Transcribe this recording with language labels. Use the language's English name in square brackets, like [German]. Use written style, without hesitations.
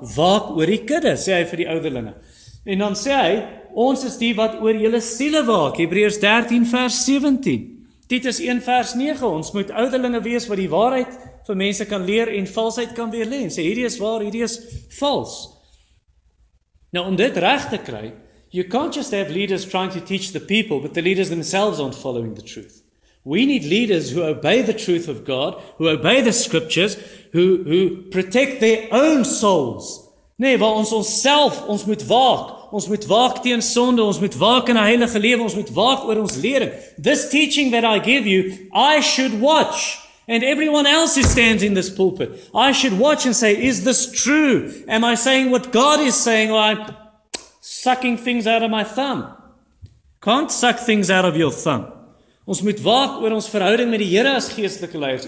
[Afrikaans] Waak oor die kudde, sê hy vir die ouderlinge. En dan sê hy, ons is die wat oor julle siele waak. Hebreërs 13 vers 17. Titus 1 vers 9. Ons moet ouderlinge wees wat die waarheid vir mense kan leer en valsheid kan weerlê. En sê, hierdie is waar, hierdie is vals. Nou, om dit reg te kry, [English] you can't just have leaders trying to teach the people, but the leaders themselves aren't following the truth. We need leaders who obey the truth of God, who obey the scriptures, who protect their own souls. [Afrikaans] Nee, waar ons onsself, ons moet waak. Ons moet waak teen sonde, ons moet waak in 'n heilige lewe, ons moet waak oor ons leering. [English] This teaching that I give you, I should watch. And everyone else who stands in this pulpit, I should watch and say, is this true? Am I saying what God is saying? Or I'm sucking things out of my thumb. Can't suck things out of your thumb. [Afrikaans] Ons moet waak oor ons verhouding met die Here as geestelike leiers.